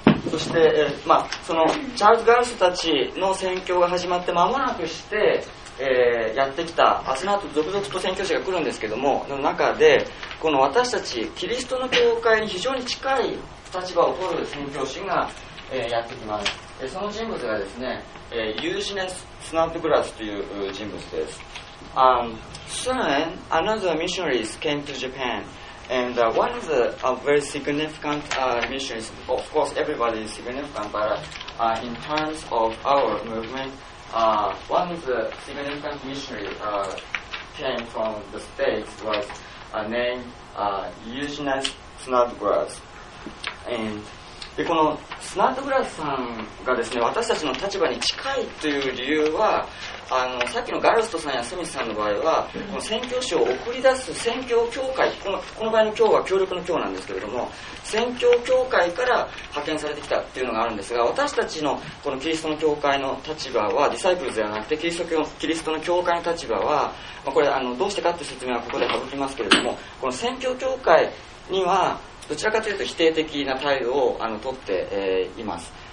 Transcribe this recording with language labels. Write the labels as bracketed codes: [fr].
[ja] そして、まあ、そのチャールズ・ガウストたちの宣教が始まって間もなくして、やってきた、その後続々と宣教師が来るんですけども、の中でこの私たちキリストの教会に非常に近い立場を取る宣教師が、やってきます。その人物がですね、ユージネス・スナップグラスという人物です。 [en] Soon another missionaries came to JapanAnd one of the very significant missionaries, of course everybody is significant, but in terms of our movement, one of the significant missionaries came from the States was named Eugene Snodgrass. [ja] And でこのスナッドグラスさんがですね、私たちの立場に近いという理由は、あのさっきのガルストさんやスミスさんの場合はこの宣教師を送り出す宣教協会、この場合の協は協力の協なんですけれども、宣教協会から派遣されてきたというのがあるんですが、私たちのこのキリストの教会の立場はディサイプルではなくてキリストの教会の立場は、まあ、これあのどうしてかという説明はここで省きますけれども、この宣教協会にはどちらかというと否定的な態度をあの取って、います、